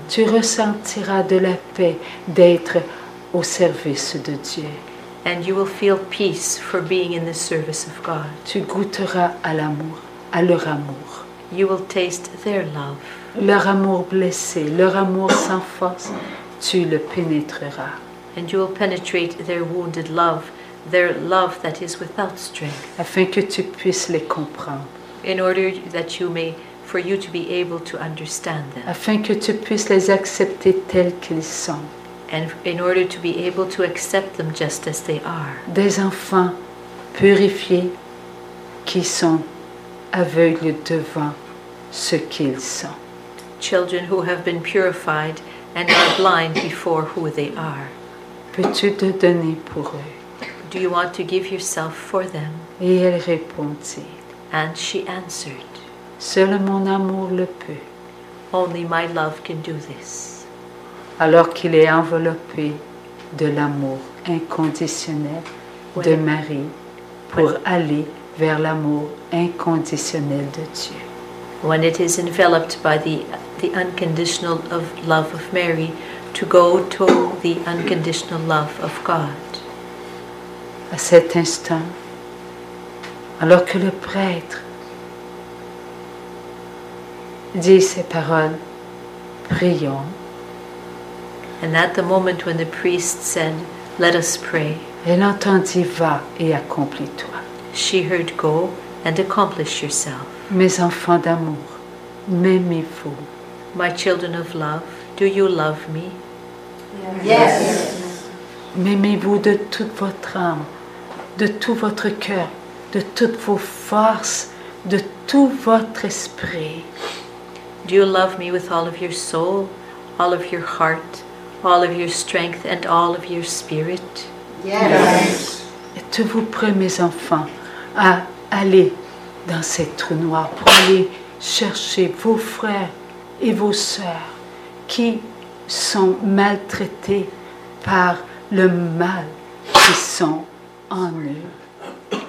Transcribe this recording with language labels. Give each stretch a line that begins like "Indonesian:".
French: Tu ressentiras de la paix d'être au service de Dieu.
English: And you will feel peace for being in the service of God.
French: Tu goûteras à l'amour, à leur amour.
English: You will taste their love.
French: Leur amour blessé, leur amour sans force, tu le pénétreras.
English: and you will penetrate their wounded love, their love that is without strength.
French: Afin que tu puisses les comprendre.
English: In order that you may, for you to be able to understand them.
French: Afin que tu puisses les accepter tels qu'ils sont.
English: And in order to be able to accept them just as they are.
French: Des enfants purifiés qui sont aveugles devant ce qu'ils sont.
English: Children who have been purified and are blind before who they are.
French: Peux-tu te donner pour eux?
English: Do you want to give yourself for them?
French: Et elle répondit.
English: And she answered.
French: Seul mon amour le peut.
English: Only my love can do this.
French: Alors qu'il est enveloppé de l'amour inconditionnel de Marie pour aller vers l'amour inconditionnel de Dieu.
English: When it is enveloped by the unconditional of love of Mary to go to the unconditional love of God.
French: À cet instant, alors que le prêtre dit ces paroles, prions.
English: And at the moment when the priest said, let us pray.
French: Elle entendit, va et accomplis-toi.
English: She heard, go and accomplish yourself.
French: Mes enfants d'amour, m'aimez-vous?
English: My children of love, do you love me? Yes.
French: M'aimez-vous de toute votre âme, de tout votre cœur, de toutes vos forces, de tout votre esprit?
English: Do you love me with all of your soul, all of your heart, all of your strength and all of your spirit? Yes.
French: Êtes-vous prêts, mes enfants, à aller dans ces trous noirs pour aller chercher vos frères et vos sœurs qui sont maltraités par le mal qui sont en eux?